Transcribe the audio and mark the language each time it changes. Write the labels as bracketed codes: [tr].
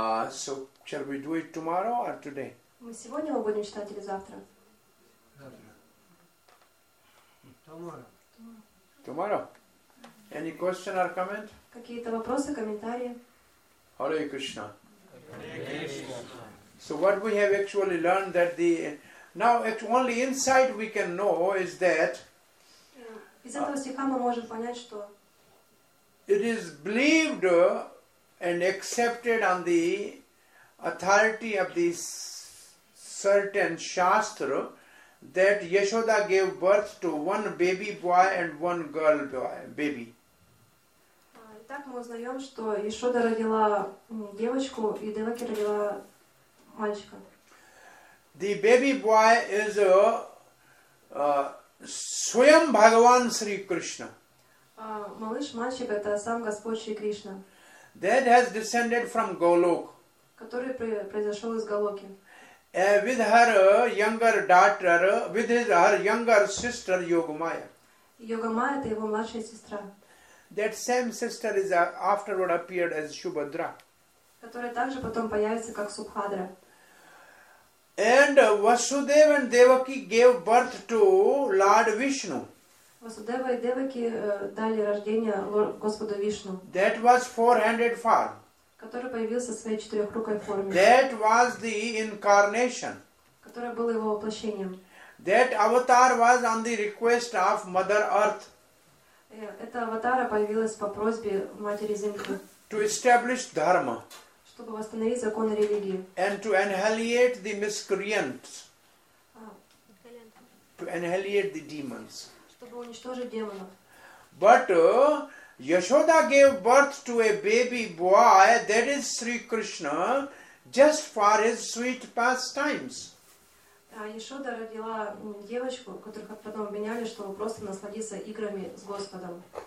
[en] So shall we do it tomorrow or today? [ru] Мы сегодня его будем читать или завтра? Завтра. [en] Tomorrow. Tomorrow. Any question or comment? [ru] Какие-то вопросы, комментарии? [en] Hare Krishna. Hare Krishna. So what we have actually learned that the now it's only insight we can know is that [ru] из этого стиха мы можем понять, что [en] it is believed and accepted on the authority of this certain shastra that Yashoda gave birth to one baby boy and one girl baby. [ru] Так мы узнаем, что Яшода родила девочку и Деваки родила мальчика. [en] The baby boy is a Swayam Bhagavan Sri Krishna. [ru] Малыш, мальчик, это сам Господь Шри Кришна. [en] That has descended from Golok. [ru] Который произошел из Голоки. [en] With her younger daughter, with her younger sister Yogamaya. [ru] Yogamaya это его младшая сестра. [en] That same sister is afterward appeared as Subhadra. [ru] Которая также потом появится как Субхадра. [en] And Vasudeva and Devaki gave birth to Lord Vishnu. [ru] Vasudeva and Devaki дали рождение Господу Вишну. [en] That was four-handed form. [ru] Который появился в своей четырехрукой форме. [en] That was the incarnation. [ru] Которое было его воплощением. [en] That avatar was on the request of Mother Earth. [ru] Эта аватара появилась по просьбе Матери Земли. [en] To establish dharma. [ru] Чтобы восстановить законы религии. [en] And to annihilate the miscreants. To annihilate the demons. [ru] Чтобы уничтожить демонов. [en] But Yashoda gave birth to a baby boy, that is Sri Krishna, just for his sweet pastimes. [ru] Яшода родила девочку, которую потом обвиняли, чтобы просто насладиться играми с Господом.